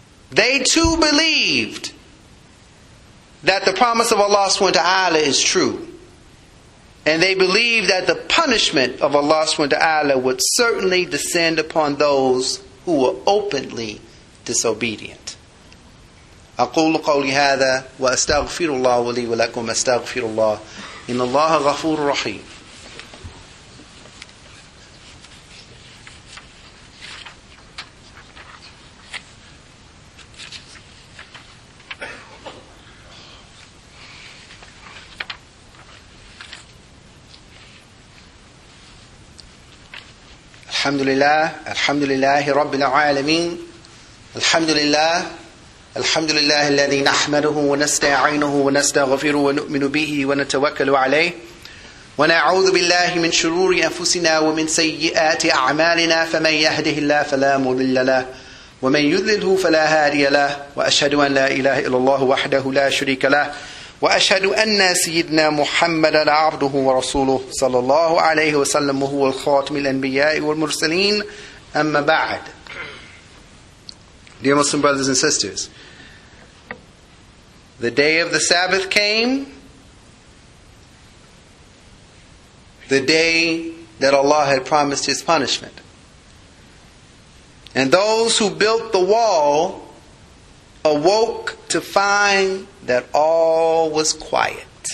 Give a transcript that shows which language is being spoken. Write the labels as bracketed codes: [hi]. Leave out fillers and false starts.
[en] They too believed that the promise of Allah subhanahu wa ta'ala is true. And they believed that the punishment of Allah subhanahu wa ta'ala would certainly descend upon those who were openly disobedient. [ar] أقول قولي هذا وأستغفر الله ولي ولكم أستغفر الله إن الله غفور رحيم. الحمد لله الحمد لله رب العالمين الحمد لله الحمد لله الذي نحمده ونستعينه ونستغفره ونؤمن به ونتوكل عليه ونعوذ بالله من شرور أنفسنا ومن سيئات أعمالنا فمن يهده الله فلا مضل له ومن يضلله فلا هادي له وأشهد أن لا إله إلا الله وحده لا شريك له وأشهد أن سيدنا محمد عبده ورسوله صلى الله عليه وسلم وهو الخاتم الأنبياء والمرسلين أما بعد. [en] Dear Muslim brothers and sisters, the day of the Sabbath came, the day that Allah had promised His punishment. And those who built the wall awoke to find that all was quiet.